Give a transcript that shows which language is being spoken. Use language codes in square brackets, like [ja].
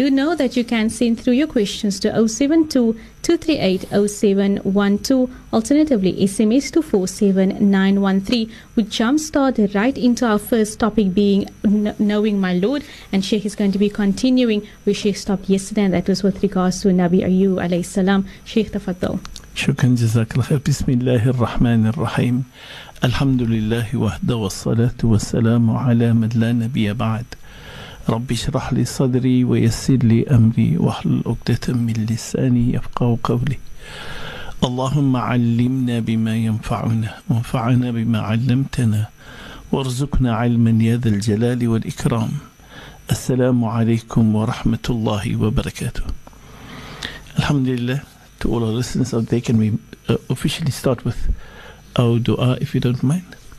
[en] Do know that you can send through your questions to 072-238-0712. Alternatively, SMS to 47913. We jumpstart right into our first topic being knowing my Lord. And Sheikh is going to be continuing where Sheikh stopped yesterday, and that was with regards to Nabi Ayyub alayhi salam. Sheikh Tafadhol. [ar] شكرا جزاك الله خير بسم الله الرحمن الرحيم الحمد لله وحده والصلاة والسلام على من لا نبي بعد رب اشرح لي صدري ويسر لي أمري واحلل عقدة من لساني يفقه قولي اللهم علمنا بما ينفعنا وانفعنا بما علمتنا وارزقنا علما يا ذا الجلال والإكرام السلام عليكم ورحمة الله وبركاته الحمد لله. [en] To all our listeners out there, can we officially start with our dua, if you don't mind?